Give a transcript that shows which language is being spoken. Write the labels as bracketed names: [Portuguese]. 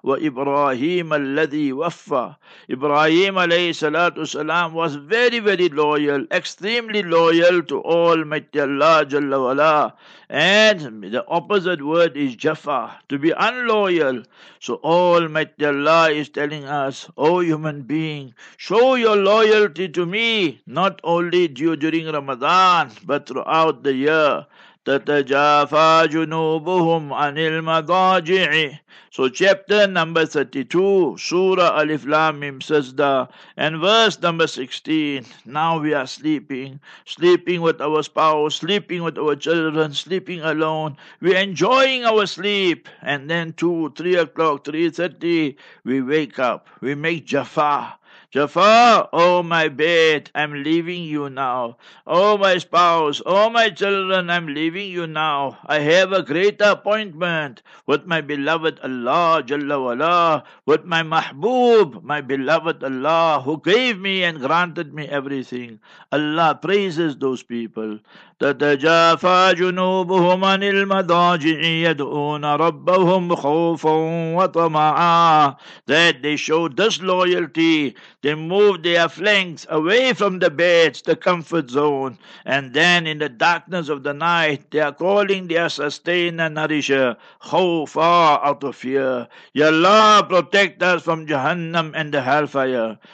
[Arabic] Wa Ibrahim alladhi waffa. [English] Ibrahim alayhi salatu salam was very, very loyal, extremely loyal to Almighty Allah Jalla wala. And the opposite word is jaffa, to be unloyal. So Almighty Allah is telling us, O human being, show your loyalty to me, not only during Ramadan, but throughout the year. [Arabic] تَتَجَافَى جُنُوبُهُمْ عَنِ الْمَضَاجِعِ. [English] So chapter number 32, Surah Alif Lam Mim Sajda, and verse number 16. Now we are sleeping with our spouse, sleeping with our children, sleeping alone. We're enjoying our sleep, and then 2, 3 o'clock, 3:30, we wake up, we make jaffa. Jaffa, oh my bed, I'm leaving you now. Oh my spouse, oh my children, I'm leaving you now. I have a greater appointment with my beloved Allah, Jalla wala, with my Mahbub, my beloved Allah, who gave me and granted me everything. Allah praises those people. [Arabic] تتجافى جنوبهم عن المضاجع يدعون ربهم خوفا وطمعا. [English] That they show disloyalty, they move their flanks away from the beds, the comfort zone, and then in the darkness of the night they are calling their sustainer, nourisher, خوفا, out of fear. Ya Allah, protect us from Jahannam and the hellfire.